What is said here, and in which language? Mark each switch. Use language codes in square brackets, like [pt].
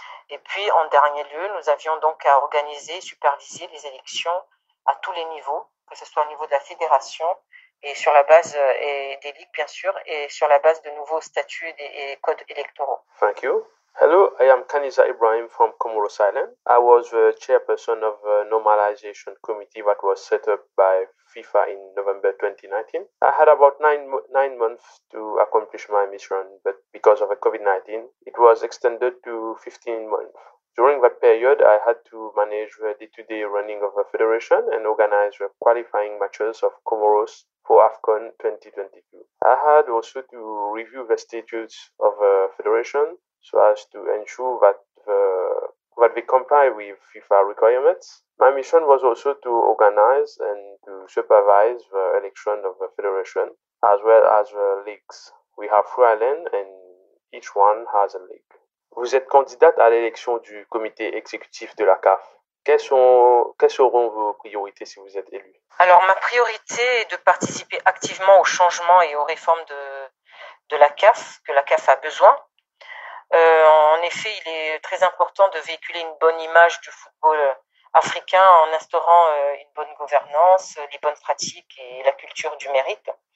[fr] Et puis, en dernier lieu, nous avions donc à organiser et superviser les élections à tous les niveaux, que ce soit au niveau de la fédération et sur la base et des ligues, bien sûr, et sur la base de nouveaux statuts et codes électoraux. [en] Thank you. Hello, I am Kaniza Ibrahim from Comoros Island. I was the chairperson of the normalization committee that was set up by FIFA in November 2019. I had about nine months to accomplish my mission, but because of the COVID-19, it was extended to 15 months. During that period, I had to manage the day-to-day running of the federation and organize the qualifying matches of Comoros for AFCON 2022. I had also to review the statutes of the federation, so as to ensure that we comply with FIFA requirements. My mission was also to organize and to supervise the election of the federation, as well as the leagues. We have 3 islands and each one has a league. [fr] Vous êtes candidate à l'élection du comité exécutif de la CAF. Quelles seront vos priorités si vous êtes élue? Alors, ma priorité est de participer activement aux changements et aux réformes de la CAF, que la CAF a besoin. En effet, il est très important de véhiculer une bonne image du football africain en instaurant une bonne gouvernance, les bonnes pratiques et la culture du mérite.